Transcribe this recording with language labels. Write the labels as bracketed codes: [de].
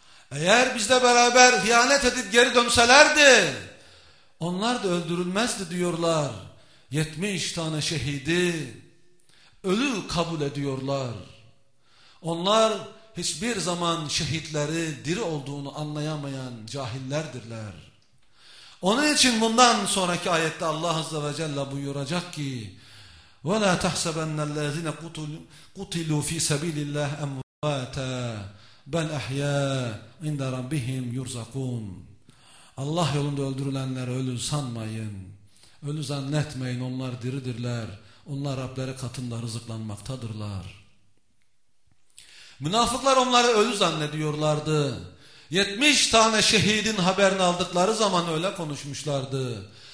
[tr] Eğer bizle beraber hıyanet edip geri dönselerdi onlar da öldürülmezdi diyorlar. 70 tane şehidi ölü kabul ediyorlar. Onlar hiçbir zaman şehitleri diri olduğunu anlayamayan cahillerdirler. Onun için bundan sonraki ayette Allah Azze ve Celle buyuracak ki [ar] وَلَا تَحْسَبَنَّ الَّذِينَ قُتِلُوا فِي سَبِيلِ اللّٰهِ اَمْوَاتَ بَلْ اَحْيَا اِنْدَ رَبِّهِمْ يُرْزَقُونَ. [tr] Allah yolunda öldürülenleri ölü sanmayın. Ölü zannetmeyin, onlar diridirler. Onlar Rableri katında rızıklanmaktadırlar. Münafıklar onları ölü zannediyorlardı. 70 tane şehidin haberini aldıkları zaman öyle konuşmuşlardı.